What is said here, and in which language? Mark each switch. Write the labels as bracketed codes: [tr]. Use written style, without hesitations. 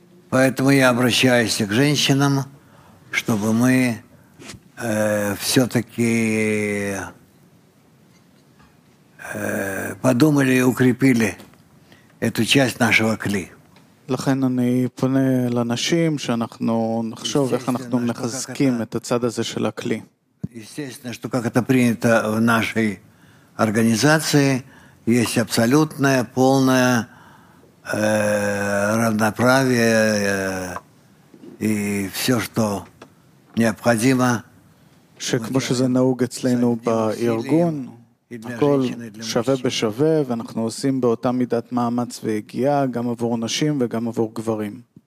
[ru] Поэтому я обращаюсь к женщинам, чтобы мы всё-таки подумали и укрепили эту часть нашего кли. [he] לכן אני פונה לנשים שאנחנו נחשוב איך אנחנו מחזקים את הצד הזה של הכלי. [ru] Естественно, что как это принято в нашей организации, есть абсолютное, полное равноправие и всё, что необходимо. [he] שכמו שזה נהוג אצלנו בארגון, הכל שווה בשווה, ואנחנו עושים באותה מידת מאמץ והגיעה, גם עבור נשים וגם עבור גברים.